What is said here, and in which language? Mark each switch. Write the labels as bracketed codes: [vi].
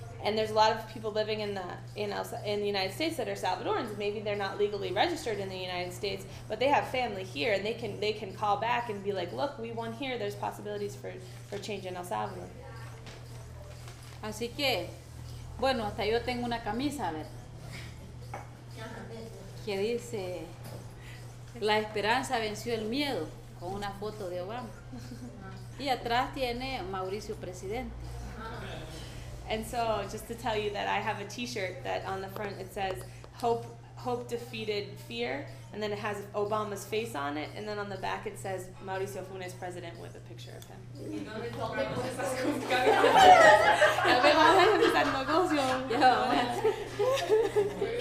[en] And there's a lot of people living in the United States that are Salvadorans. Maybe they're not legally registered in the United States, but they have family here, and they can call back and be like, look, we won here. There's possibilities for change in El Salvador. [es] Así que, bueno, hasta yo tengo una camisa, ¿verdad? Que dice, la esperanza venció el miedo, con una foto de Obama. Y atrás tiene Mauricio Presidente. [en] And so, just to tell you that I have a T-shirt that on the front it says "Hope defeated fear," and then it has Obama's face on it, and then on the back it says "Mauricio Funes president" with a picture of him.